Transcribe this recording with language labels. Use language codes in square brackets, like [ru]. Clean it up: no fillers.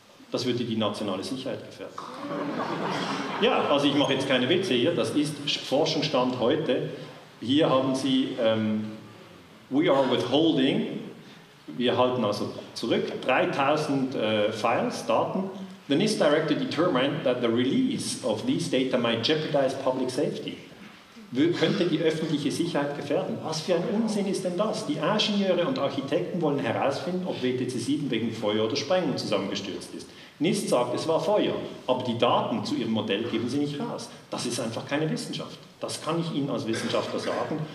[de] Das würde die nationale Sicherheit gefährden. Ja, also ich mache jetzt keine Witze hier, das ist Forschungsstand heute. Hier haben sie, [en] we are withholding, [de] wir halten also zurück, 3000 Files, Daten. [en] The NIST Director determined that the release of these data might jeopardize public safety. [de] Könnte die öffentliche Sicherheit gefährden. Was für ein Unsinn ist denn das? Die Ingenieure und Architekten wollen herausfinden, ob WTC-7 wegen Feuer oder Sprengung zusammengestürzt ist. NIST sagt, es war Feuer, aber die Daten zu ihrem Modell geben sie nicht raus. Das ist einfach keine Wissenschaft. Das kann ich Ihnen als Wissenschaftler sagen.